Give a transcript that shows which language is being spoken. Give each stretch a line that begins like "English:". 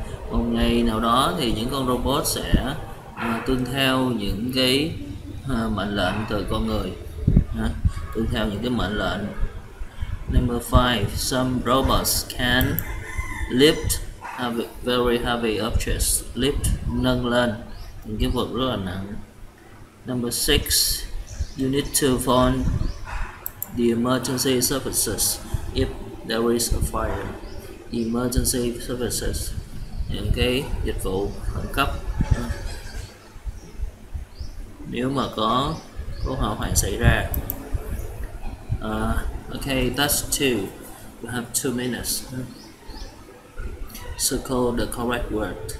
Vietnamese: Một ngày nào đó thì những con robot sẽ tuân theo những cái mệnh lệnh từ con người, tuân theo những cái mệnh lệnh.
English: Number five, some robots can lift very heavy objects.
Vietnamese: Lift, nâng lên những cái vật rất là nặng.
English: Number six, you need to phone the emergency services if there is a fire. The emergency services,
Vietnamese: những cái dịch vụ khẩn cấp. Nếu mà có hỏa hoạn xảy ra.
English: Okay, that's two. You have 2 minutes. Circle the correct word.